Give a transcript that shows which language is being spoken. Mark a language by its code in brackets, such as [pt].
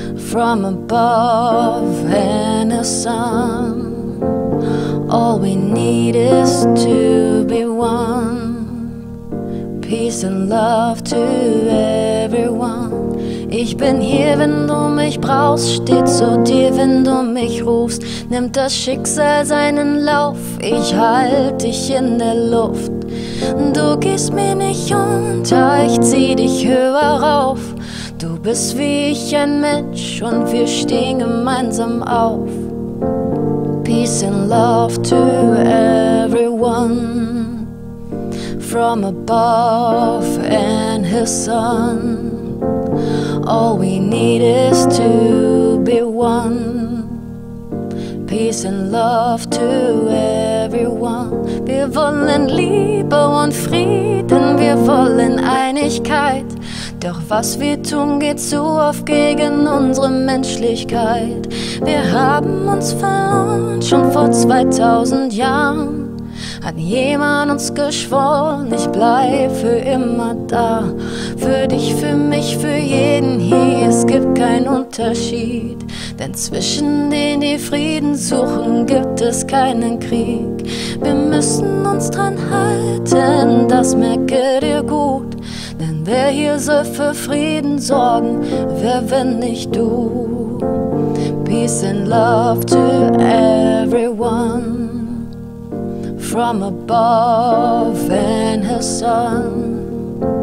[en] From above and the sun, all we need is to be one. Peace and love to everyone. [de] Ich bin hier, wenn du mich brauchst, steh zu dir, wenn du mich rufst. Nimmt das Schicksal seinen Lauf, ich halt dich in der Luft. Du gehst mir nicht unter, ich zieh dich höher rauf. Du bist wie ich ein Mensch und wir stehen gemeinsam auf. [en] Peace and love to everyone, from above and his son. All we need is to be one. Peace and love to everyone. [de] Wir wollen Liebe und Frieden, wir wollen Einigkeit. Doch was wir tun, geht so oft gegen unsere Menschlichkeit. Wir haben uns verloren, schon vor 2000 Jahren. Hat jemand uns geschworen, ich bleib für immer da. Für dich, für mich, für jeden hier, es gibt keinen Unterschied. Denn zwischen denen, die Frieden suchen, gibt es keinen Krieg. Wir müssen uns dran halten, das merke dir gut. Denn wer hier soll für Frieden sorgen, wer wenn nicht du? [en] Peace and love to everyone, from above and his son.